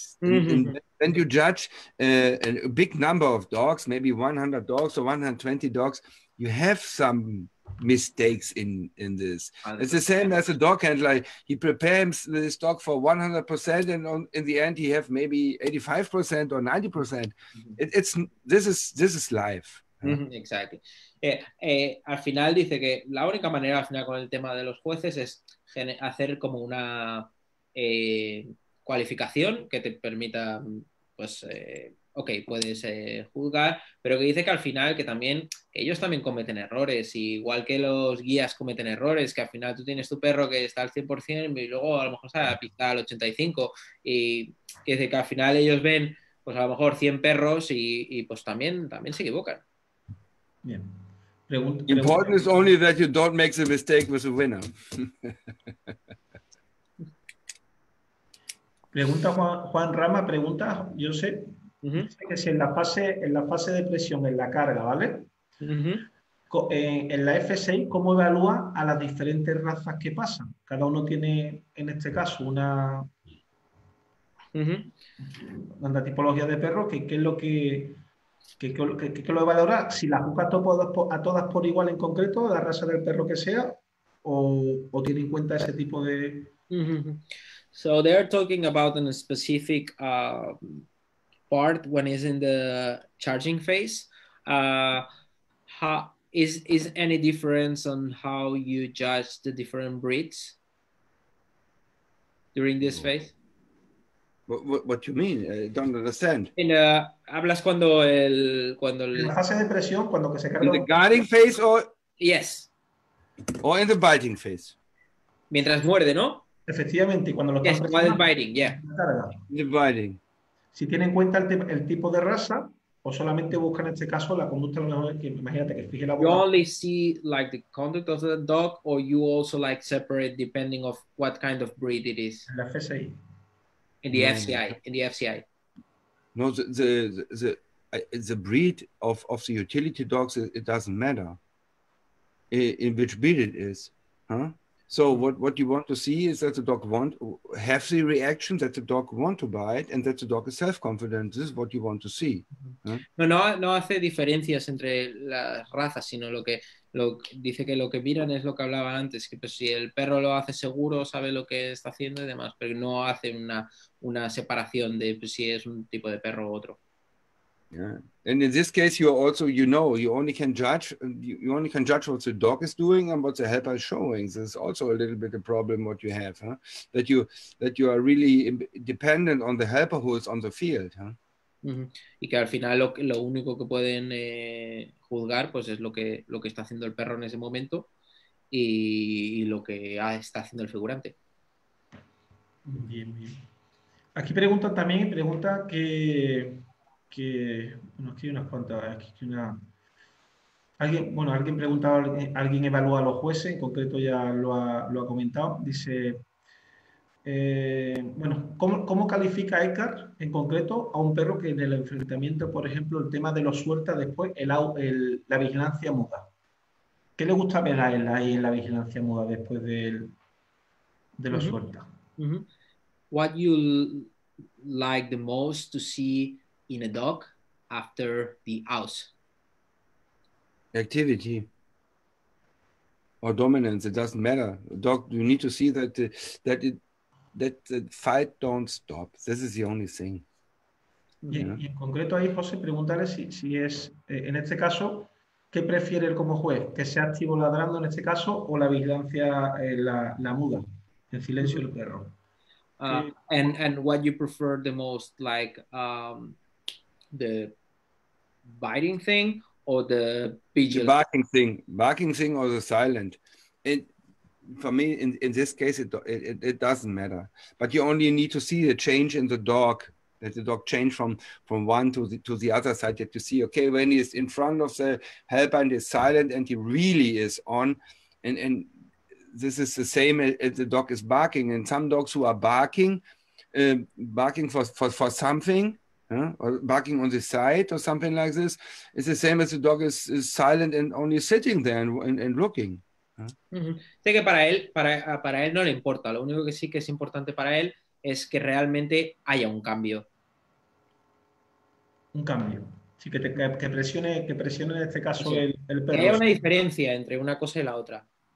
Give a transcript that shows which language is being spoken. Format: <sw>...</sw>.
<en>And you judge a big number of dogs, maybe 100 dogs or 120 dogs, you have some mistakes in this. 100%. It's the same as a dog handler. He prepares this dog for 100% and in the end he have maybe 85% or 90%. Mm-hmm. This is life. Mm-hmm. Exactly.</en> <es>Al final dice que la única manera al final con el tema de los jueces es hacer como una cualificación que te permita, pues, puedes juzgar, pero que dice que al final que ellos también cometen errores, y igual que los guías cometen errores, que al final tú tienes tu perro que está al 100% y luego a lo mejor está a la pista al 85%, y que dice que al final ellos ven, pues, a lo mejor 100 perros y pues también se equivocan. Bien.</es> <en>Important is only that you don't make the mistake with the winner.</en> <es>Pregunta Juan Rama, pregunta, yo sé, uh-huh. Que si en la fase de presión, en la carga, ¿vale? Uh-huh. En la F6, ¿cómo evalúa a las diferentes razas que pasan? Cada uno tiene, en este caso, una tipología de perro, ¿qué es lo que lo evalúa? ¿Si la juzga a todas por igual en concreto, la raza del perro que sea, o tiene en cuenta ese tipo de... Uh-huh.</es> <en>So they're talking about in a specific part when it's in the charging phase. How is any difference on how you judge the different breeds during this phase? What do you mean? I don't understand.</en> <es>Hablas cuando el cuando en la fase de presión cuando que se carga.</es> <en>In the guarding phase or yes. Or in the biting phase.</en> <es>Mientras muerde, ¿no? Efectivamente, cuando lo</es> <en>yes,</en> <es>están presionando.</es> <en>Biting, yeah. The biting.</en> <es>Si tiene en cuenta el tipo de raza o solamente busca en este caso la conducta, que imagínate que fije la boca.</es> <en>You only see like the conduct of the dog or you also like separate depending of what kind of breed it is.</en> <es>La FSI.</es> <en>In the FCI. No, the breed of the utility dogs, it doesn't matter in which breed it is, huh? So what you want to see is that the dog want have the reaction that the dog want to bite and that the dog is self-confident. This is what you want to see. Huh?</en> <es>No hace diferencias entre las razas, sino lo que miran es lo que hablaba antes, que pues si el perro lo hace seguro, sabe lo que está haciendo y demás, pero no hace una separación de pues, si es un tipo de perro u otro.</es> <en>Yeah. And in this case, you only can judge what the dog is doing and what the helper is showing. This is also a little bit a problem what you have, huh? That you are really dependent on the helper who is on the field, huh? Mm-hmm.</en> <es>Y que al final lo único que pueden juzgar pues es lo que está haciendo el perro en ese momento y lo que está haciendo el figurante. Bien, bien. Aquí pregunta que bueno, aquí hay unas cuantas, aquí hay una alguien pregunta, alguien evalúa a los jueces, en concreto ya lo ha comentado, dice bueno, ¿cómo califica Edgar en concreto a un perro que en el enfrentamiento, por ejemplo, el tema de lo suelta después, la vigilancia muda? ¿Qué le gusta ver a él ahí en la vigilancia muda después de lo suelta? Mm-hmm.</es> <en>What you like the most to see in a dog after the house? Activity. Or dominance, it doesn't matter. Dog, you need to see that the fight don't stop. This is the only thing.</en> <es>Y en concreto ahí, José, preguntarle si es, en este caso, ¿qué prefiere él como juez? ¿Que sea activo ladrando en este caso o la vigilancia, la muda, el silencio del perro?</es> <en>And what you prefer the most, like the biting thing or the vigil? The barking thing or the silent. For me, in this case, it doesn't matter. But you only need to see the change in the dog, that the dog changed from one to the other side. That you see, okay, when he's in front of the helper and is silent and he really is on, and this is the same as the dog is barking. And some dogs who are barking, barking for something, or barking on the side or something like this, it's the same as the dog is silent and only sitting there and looking. Uh-huh.</en> <es>Sé que para él no le importa, lo único que sí que es importante para él es que realmente haya un cambio, sí, que presione en este caso, sí. el perro, que haya una diferencia entre una cosa y la otra,</es>